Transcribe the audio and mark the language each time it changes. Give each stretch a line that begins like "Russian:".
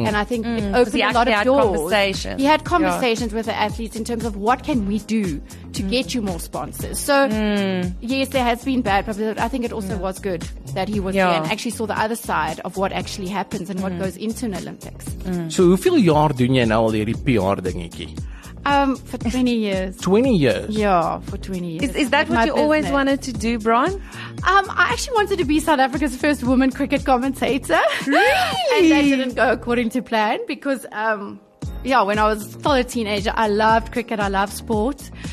English: Mm. And I think it opened a lot of doors. He had conversations with the athletes in terms of what can we do to get you more sponsors. So, yes, there has been bad publicity, but I think it also was good that he was there and actually saw the other side of what actually happens and what goes into an Olympics. Mm.
Afrikaans: So, hoeveel jaar doen jy nou al hierdie PR dingetjie?
English: For 20 years. 20 years? Yeah, for 20 years. Is that what you always wanted to do, Bron? I actually wanted to be South Africa's first woman cricket commentator. Really? And that didn't go according to plan because, when I was still a teenager, I loved cricket, I loved sport.